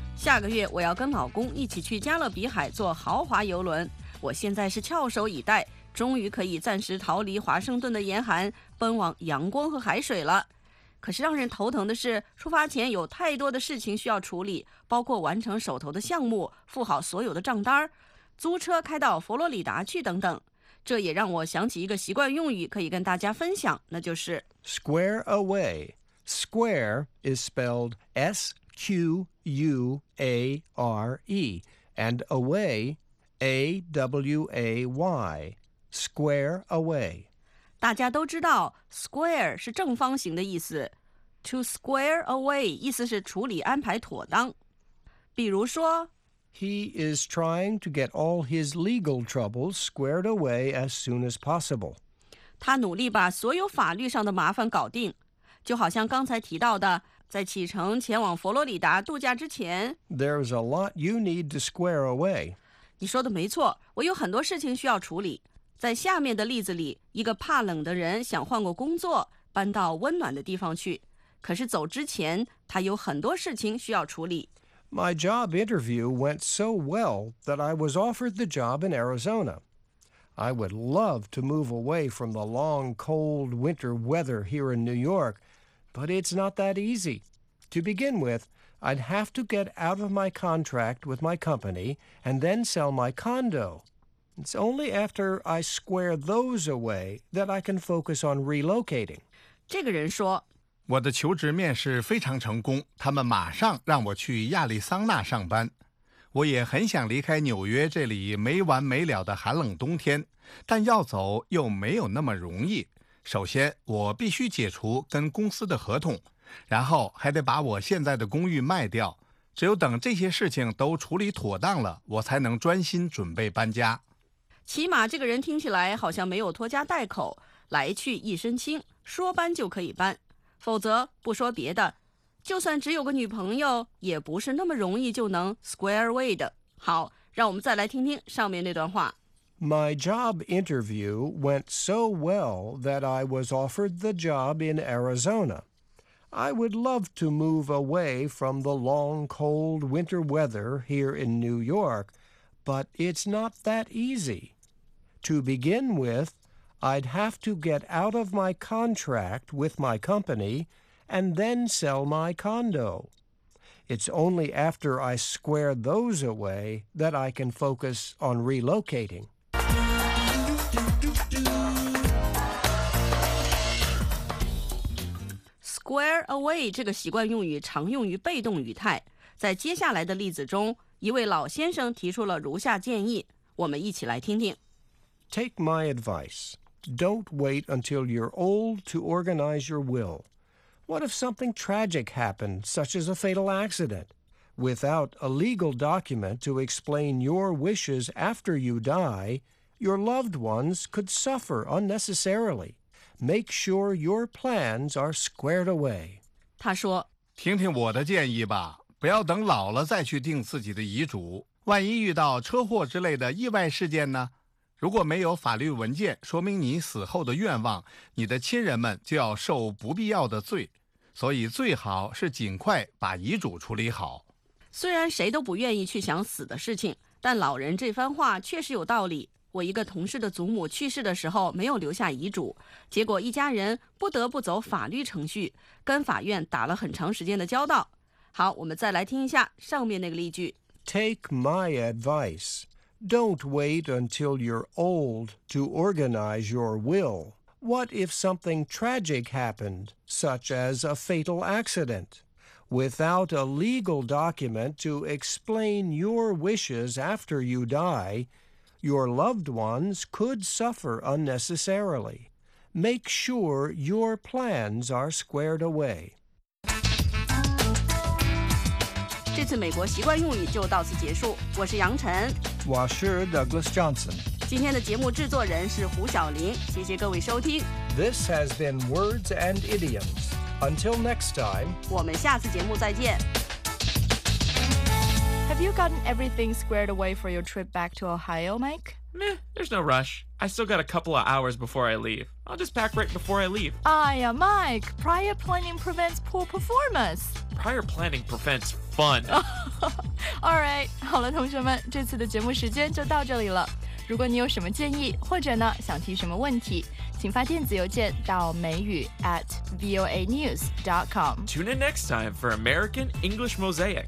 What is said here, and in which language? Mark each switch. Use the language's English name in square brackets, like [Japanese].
[Chinese] 下个月我要跟老公一起去加勒比海坐豪华游轮，我现在是翘首以待，终于可以暂时逃离华盛顿的严寒，奔往阳光和海水了。可是让人头疼的是，出发前有太多的事情需要处理，包括完成手头的项目、付好所有的账单、租车开到佛罗里达去等等。这也让我想起一个习惯用语可以跟大家分享，那就是 [English] Square away. Square is spelled S-Q-U-A-R-E and away, A-W-A-Y. Square away. [Chinese] 大家都知道 square 是正方形的意思， [English] To square away [Chinese] 意思是处理安排妥当。比如说 [English] He is trying to get all his legal troubles squared away as soon as possible. [Chinese] 他努力把所有法律上的麻烦搞定，就好像刚才提到的，在启程前往佛罗里达度假之前。 [English] There is a lot you need to square away. [Chinese] 你说的没错，我有很多事情需要处理。在下面的例子里，一个怕冷的人想换个工作，搬到温暖的地方去，可是走之前，他有很多事情需要处理。 [English] My job interview went so well that I was offered the job in Arizona. I would love to move away from the long, cold winter weather here in New York, but it's not that easy. To begin with, I'd have to get out of my contract with my company and then sell my condo. It's only after I square those away that I can focus on relocating. [Chinese] 这个人说我的求职面试非常成功，他们马上让我去亚利桑那上班。我也很想离开纽约这里没完没了的寒冷冬天，但要走又没有那么容易。首先，我必须解除跟公司的合同，然后还得把我现在的公寓卖掉。只有等这些事情都处理妥当了，我才能专心准备搬家。起码这个人听起来好像没有拖家带口，来去一身轻，说搬就可以搬。否则不说别的，就算只有个女朋友也不是那么容易就能 square away 的。好，让我们再来听听上面那段话。 [English] My job interview went so well that I was offered the job in Arizona. I would love to move away from the long cold winter weather here in New York, but it's not that easy. To begin withI'd have to get out of my contract with my company and then sell my condo. It's only after I square those away that I can focus on relocating. 嘟嘟嘟嘟 [Chinese] Square away 这个习惯用语常用于被动语态。在接下来的例子中，一位老先生提出了如下建议，我们一起来听听。 [English] Take my advice. Don't wait until you're old to organize your will. What if something tragic happened, such as a fatal accident? Without a legal document to explain your wishes after you die, your loved ones could suffer unnecessarily. Make sure your plans are squared away. [Chinese] 他说，听听我的建议吧，不要等老了再去定自己的遗嘱。万一遇到车祸之类的意外事件呢？如果没有法律文件说明你死后的愿望，你的亲人们就要受不必要的罪，所以最好是尽快把遗嘱处理好。虽然谁都不愿意去想死的事情，但老人这番话确实有道理。我一个同事的祖母去世的时候没有留下遗嘱，结果一家人不得不走法律程序，跟法院打了很长时间的交道。好，我们再来听一下上面那个例句。 [English] Take my adviceDon't wait until you're old to organize your will. What if something tragic happened, such as a fatal accident? Without a legal document to explain your wishes after you die, your loved ones could suffer unnecessarily. Make sure your plans are squared away. [Chinese] 这次美国习惯用语就到此结束，我是杨晨。我是 Douglas Johnson. 今天的节目制作人是胡晓琳，谢谢各位收听。 [English] This has been Words and Idioms. Until next time, [Chinese] 我们下次节目再见。 [English] Have you Have you gotten everything squared away for your trip back to Ohio, Mike? Meh, there's no rush. I still got a couple of hours before I leave. I'll just pack right before I leave. Aya, Mike, prior planning prevents poor performance. Prior planning prevents fun. All right, [Chinese] 好了，同学们，这次的节目时间就到这里了。如果你有什么建议，或者呢，想提什么问题，请发电子邮件到美语 @voanews.com. [English] Tune in next time for American English Mosaic.